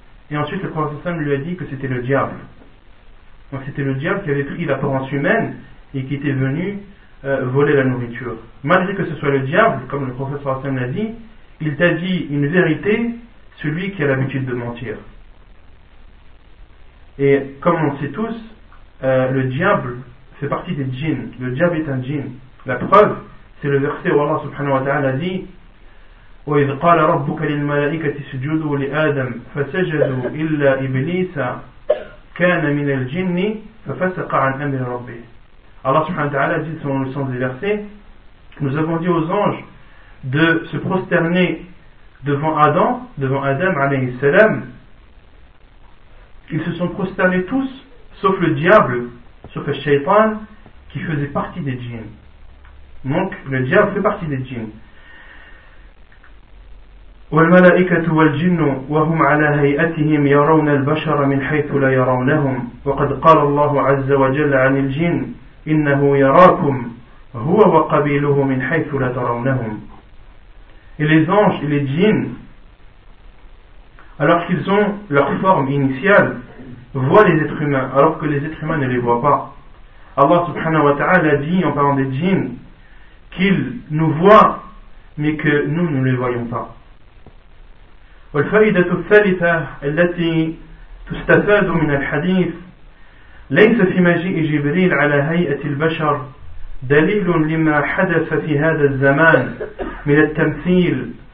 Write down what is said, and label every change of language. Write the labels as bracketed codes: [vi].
[fr] Et ensuite le prophète sallallahu alayhi wa sallam lui a dit que c'était le diable. Donc c'était le diable qui avait pris l'apparence humaine et qui était venu voler la nourriture. Malgré que ce soit le diable, comme le professeur Hassan l'a dit, il t'a dit une vérité, celui qui a l'habitude de mentir. Et comme on le sait tous, le diable fait partie des djinns. Le diable est un djinn. La preuve, c'est le verset où Allah subhanahu wa ta'ala a dit [ar] « وَإِذْ قَالَ رَبُّكَ لِلْمَلَائِكَةِ سُجُدُوا لِآدَمْ فَسَجَدُوا إِلَّا إِبْلِيسَ » كان من الجن ففسق عن امر ربه. [fr] Allah subhanahu wa ta'ala dit selon le sens des versets, nous avons dit aux anges de se prosterner devant Adam, devant Adam alayhi salam. Ils se sont prosternés tous sauf le diable, sauf le shaytan qui faisait partie des djinns. Donc le diable fait partie des djinns. [ar] والملائكة والجن وهم على هيئتهم يرون البشر من حيث لا يرونهم وقد قال الله عز وجل عن الجن إنه يراكم هو وقبيله من حيث لا ترونهم. [fr] Et les anges et les djinns, alors qu'ils ont leur forme initiale, voient les êtres humains, alors que les êtres humains ne les voient pas. Allah subhanahu wa ta'ala dit en parlant des djinns qu'ils nous voient, mais que nous ne les voyons pas. [ar] والفائدة الثالثة التي تستفاد من الحديث ليس في مجيء جبريل على هيئة البشر دليل لما حدث في هذا الزمان من التمثيل